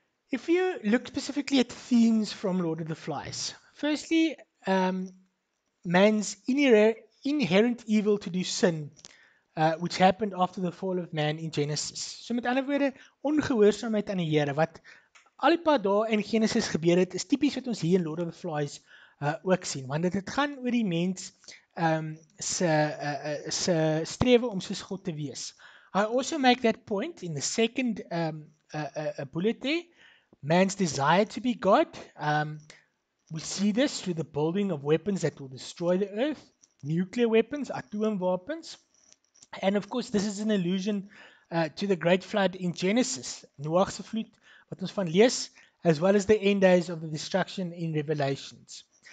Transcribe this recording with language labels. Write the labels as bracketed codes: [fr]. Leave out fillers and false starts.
[en] If you look specifically at themes from Lord of the Flies. Firstly, man's inherent evil to do sin, which happened after the fall of man in Genesis. [af] So met ander woorde, ongehoorsaamheid aan die Here, wat al die paar dae in Genesis gebeur het, is typisch wat ons hier in Lord of the Flies ook sien, want dit gaan oor die mens se strewe om soos God te wees. [en] I also make that point in the second bullet there, man's desire to be God. We see this through the building of weapons that will destroy the earth, nuclear weapons, atom weapons. And of course, this is an allusion to the great flood in Genesis, Noach's flood, [af] wat ons van lees, [en] as well as the end days of the destruction in Revelations.